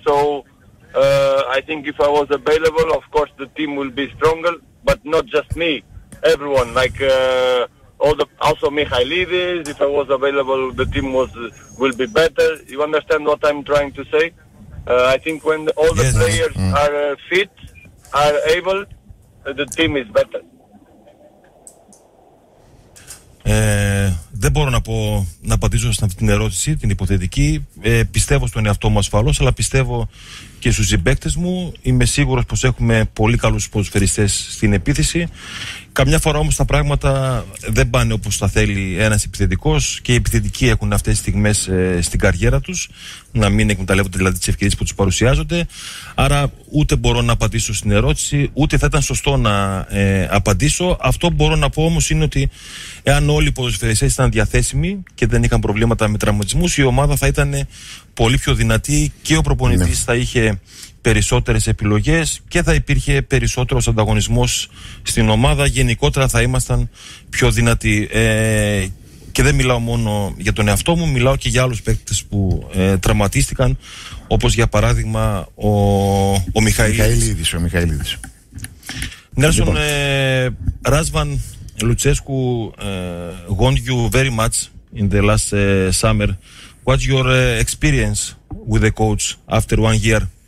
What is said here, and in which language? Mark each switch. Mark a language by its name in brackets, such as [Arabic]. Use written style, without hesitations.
[English] So I think if I was available, of course the team will be stronger, but not just me, everyone, like also Mihailidis, if I was available the team will be better. You understand what I'm trying to say? I think when all the players are fit, are able, the team is better. [Greek] Δεν μπορώ να πω, να απαντήσω σε αυτή την ερώτηση, την υποθετική. Πιστεύω στον εαυτό μου ασφαλώς, αλλά πιστεύω και στους συμπαίκτες μου. Είμαι σίγουρος πως έχουμε πολύ καλούς ποδοσφαιριστές στην επίθεση. Καμιά φορά όμως τα πράγματα δεν πάνε όπως τα θέλει ένας επιθετικός, και οι επιθετικοί έχουν αυτές τις στιγμές στην καριέρα τους, να μην εκμεταλλεύονται δηλαδή τις ευκαιρίες που τους παρουσιάζονται. Άρα ούτε μπορώ να απαντήσω στην ερώτηση, ούτε θα ήταν σωστό να απαντήσω. Αυτό που μπορώ να πω όμως είναι ότι εάν όλοι οι ποδοσφαιριστές ήταν διαθέσιμοι και δεν είχαν προβλήματα με τραυματισμούς, η ομάδα θα ήταν πολύ πιο δυνατή και ο προπονητής θα είχε περισσότερες επιλογές και θα υπήρχε περισσότερος ανταγωνισμός στην ομάδα. Γενικότερα θα ήμασταν πιο δυνατοί. Και δεν μιλάω μόνο για τον εαυτό μου, μιλάω και για άλλους παίκτες που τραυματίστηκαν, όπως για παράδειγμα ο Μιχαηλίδης. [English] Νέλσον, Ράσβαν Λουτσέσκου, want you very much in the last summer. What's your experience with the coach after 1 year?